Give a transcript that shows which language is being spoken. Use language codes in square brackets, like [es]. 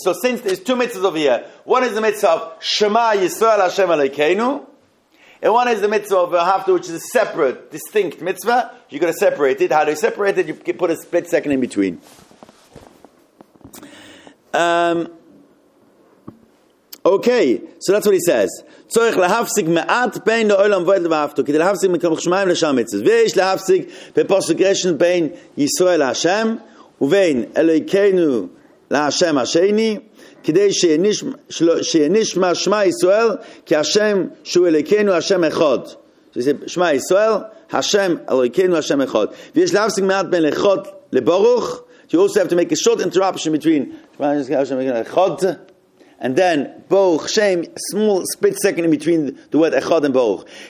[en] So since there's two mitzvahs over here, one is the mitzvah of Shema Yisrael Hashem Elokeinu, and one is the mitzvah of Ahavta, which is a separate, distinct mitzvah. You've got to separate it. How do you separate it? You put a split second in between. Okay, so that's what he says. [he] צורך להפסיק מעט בין לעולם ועד ואהבתו, כדי להפסיק מקום שמיים לשם מצוות. ויש להפסיק בפוסגרשן בין ישראל להשם, ובין אלוהינו להשם השני, כדי שינשמע שמע ישראל, כי השם שהוא אלוהינו השם אחד. שמע ישראל, השם אלוהינו השם אחד. ויש להפסיק מעט בין לאחד לברוך. [en] You also have to make a short interruption between Echad and then Boch, Shem, small split second in between the word Echad and Boch.